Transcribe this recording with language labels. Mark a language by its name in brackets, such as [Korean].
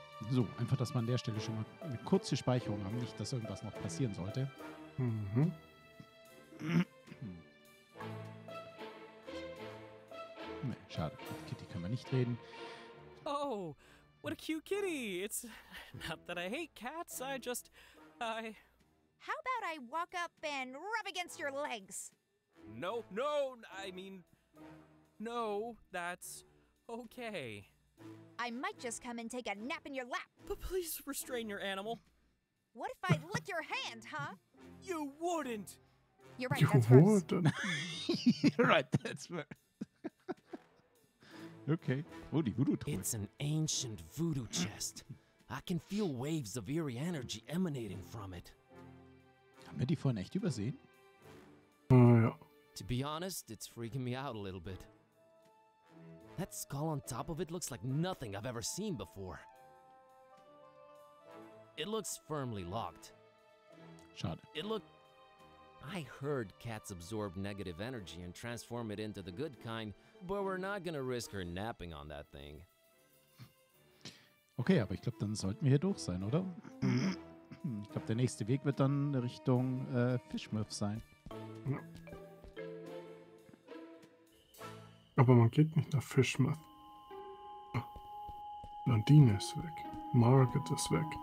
[German] So, einfach, dass wir an der Stelle schon mal eine kurze Speicherung haben, nicht, dass irgendwas noch passieren sollte. Mhm. Nee, schade, mit Kitty können wir nicht reden. [English] Oh, what a cute kitty! It's not that I hate cats, I just... I... How about I walk up and rub against your legs? No, no, I mean... No, that's okay. I might just come and take a nap in your lap. But please restrain your animal. What if I lick your hand, huh? You wouldn't. You're right, you that's worse. You're right, that's worse. [German] Okay. Oh, die voodoo toy. [English] It's an ancient voodoo chest. I can feel waves of eerie energy emanating from it. [German] Haben wir die vorhin echt übersehen? Ja. [English] To be honest, it's freaking me out a little bit. That skull on top of it looks like nothing I've ever seen before. It looks firmly locked. Shut. It looked... I heard cats absorb negative energy and transform it into the good kind, but we're not gonna risk her napping on that thing. [German] Okay, aber ich glaube, dann sollten wir hier durch sein, oder? Ich glaube, der nächste Weg wird dann Richtung Fishmouth sein. Aber man geht nicht nach Fishmouth. Nadine ist weg. Margaret ist weg.